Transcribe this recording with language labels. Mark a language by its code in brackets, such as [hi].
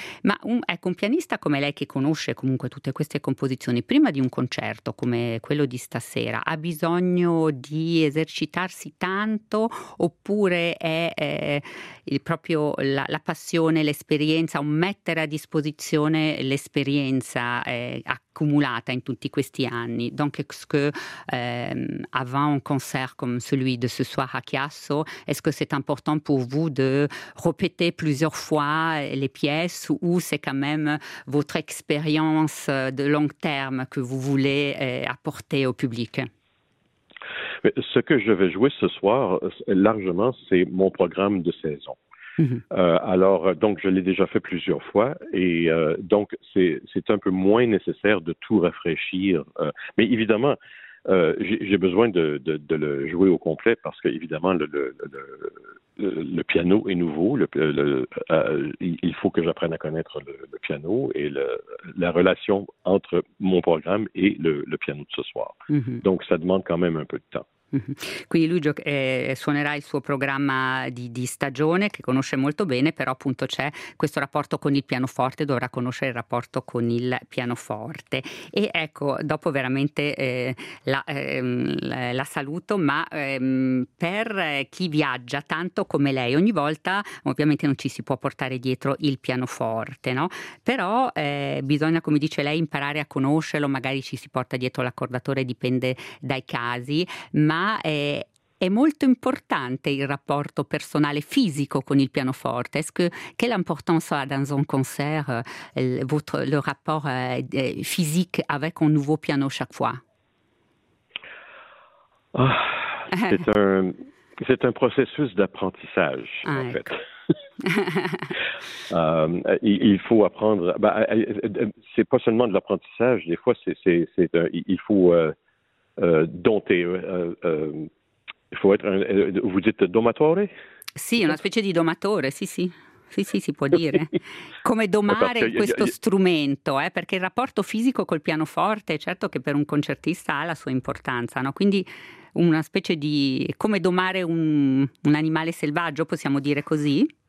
[it] Ma un pianista come lei che conosce comunque tutte queste composizioni, prima di un concerto come quello di stasera, ha bisogno di esercitarsi tanto oppure è proprio la passione, l'esperienza, un mettere a disposizione l'esperienza accumulata in tutti questi anni? [fr] Donc, est-ce que avant un concert comme celui de ce soir à Chiasso, est-ce que c'est important pour vous de répéter plusieurs fois les pièces ou c'est quand même votre expérience de long terme que vous voulez apporter au public? Mais ce que je vais jouer ce soir, largement, c'est mon programme de saison. Alors, je l'ai déjà fait plusieurs fois et donc c'est un peu moins nécessaire de tout rafraîchir. Mais évidemment, j'ai besoin de le jouer au complet parce que évidemment le piano est nouveau. Il faut que j'apprenne à connaître le piano et la relation entre mon programme et le piano de ce soir. Mm-hmm. Donc ça demande quand même un peu de temps. [it] Quindi lui suonerà il suo programma di stagione che conosce molto bene, però appunto c'è questo rapporto con il pianoforte, dovrà conoscere il rapporto con il pianoforte. E ecco, dopo veramente la saluto, ma per chi viaggia tanto come lei, ogni volta ovviamente non ci si può portare dietro il pianoforte, no? Però bisogna, come dice lei, imparare a conoscerlo, magari ci si porta dietro l'accordatore, dipende dai casi, ma è molto importante il rapporto personale fisico con il pianoforte. [fr] Est-ce que quelle importance a dans un concert le rapport physique avec un nouveau piano chaque fois? Oh, c'est un C'est un processus d'apprentissage, en fait. il faut apprendre. Ben, c'est pas seulement de l'apprentissage. Des fois, c'est un, il faut dompter. Il faut être. Vous dites domatore? [it] Sì, una specie di domatore, sì, sì. Sì, sì, si può dire. Come domare questo strumento, perché il rapporto fisico col pianoforte è certo che per un concertista ha la sua importanza, no? Quindi una specie di... come domare un animale selvaggio, possiamo dire così?